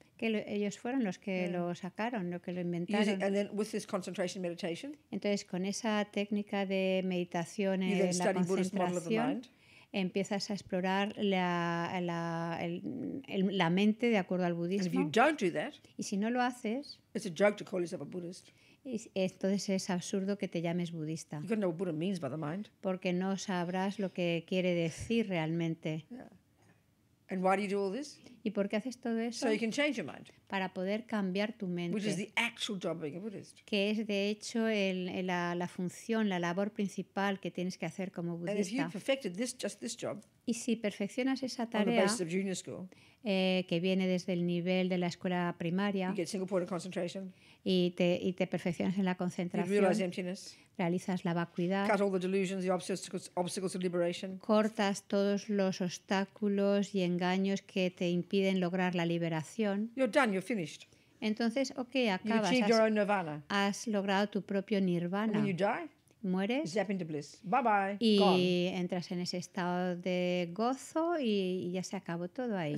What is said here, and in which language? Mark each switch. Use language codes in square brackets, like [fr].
[es] Que ellos fueron los que lo sacaron, lo que lo inventaron. [en] Using, and then with this concentration meditation, [es] entonces con esa técnica de meditación en la concentración [en] Buddhist model of the mind, [es] empiezas a explorar la mente de acuerdo al budismo. [en] And if you don't do that, [es] y si no lo haces, [en] it's a joke to call yourself a Buddhist. [es] Entonces es absurdo que te llames budista. [en] You don't know what Buddha means by the mind. [es] Porque no sabrás lo que quiere decir realmente. [en] Yeah. And why do you do all this? [es] ¿Y por qué haces todo eso? [en] So you can change your mind. [es] Para poder cambiar tu mente. [en] Which is the actual job of being a Buddhist. [es] Que es de hecho la función, la labor principal que tienes que hacer como budista. [en] And if you perfected just this job, [es] y si perfeccionas esa tarea [en] on the basis of junior school, [es] que viene desde el nivel de la escuela primaria, [en] you get single point of concentration, [es] y te perfeccionas en la concentración, [en] you realize emptiness, [es] realizas la vacuidad, [en] cut all the delusions, the obstacles to liberation, [es] cortas todos los obstáculos y engaños que te impiden lograr la liberación, [en] you're done, you're finished. [es] Entonces, okay, acabas. [en] You've achieved your own nirvana. [es] Has logrado tu propio nirvana. [en] When you die, [es] mueres, [en] zap into bliss. Bye bye. [es] Y [en] gone. [es] Entras en ese estado de gozo y ya se acabó todo ahí.